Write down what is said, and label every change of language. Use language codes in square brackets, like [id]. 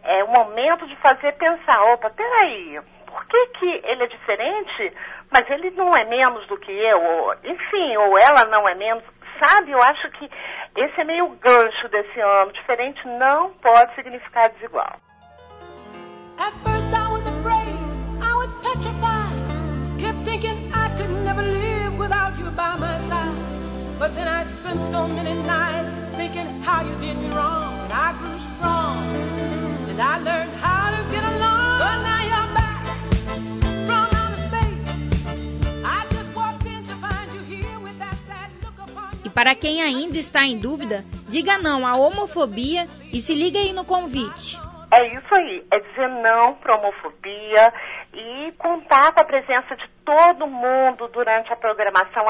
[pt] É o momento de fazer pensar, opa, peraí, por que que ele é diferente, mas ele não é menos do que eu? Ou, enfim, ou ela não é menos, sabe? Eu acho que esse é meio gancho desse ano. Diferente não pode significar desigual. [en] At first I was afraid, I was petrified, kept thinking I could never live without you by my side. But then I spent so many nights thinking how you did me wrong, and I grew strong, and I learned how to get along. So now you're back from outer space. I just walked in to find you here with that sad look upon your face. [pt] E para quem ainda está em dúvida, diga não à homofobia e se liga aí no convite. É isso aí, é dizer não para a homofobia e contar com a presença de todo mundo durante a programação.